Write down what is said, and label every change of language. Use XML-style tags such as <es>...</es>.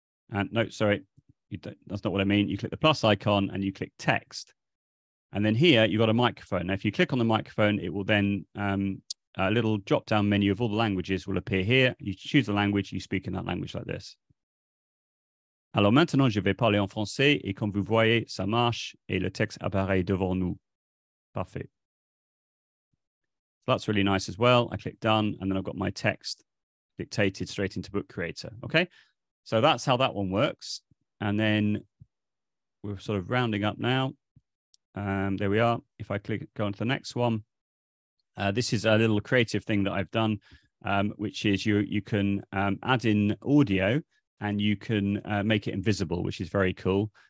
<en>And no, sorry, that's not what I mean. You click the plus icon and you click text. And then here you've got a microphone. Now, if you click on the microphone, it will then a little drop down menu of all the languages will appear here. You choose the language, you speak in that language like this.</en> <fr>Alors maintenant, je vais parler en français et comme vous voyez, ça marche et le texte apparaît devant nous. Parfait.</fr> <en>So that's really nice as well. I click done and then I've got my text dictated straight into Book Creator. Okay, so that's how that one works. And then we're sort of rounding up now. There we are. If I click, go on to the next one. This is a little creative thing that I've done, which is you can add in audio and you can make it invisible, which is very cool.</en>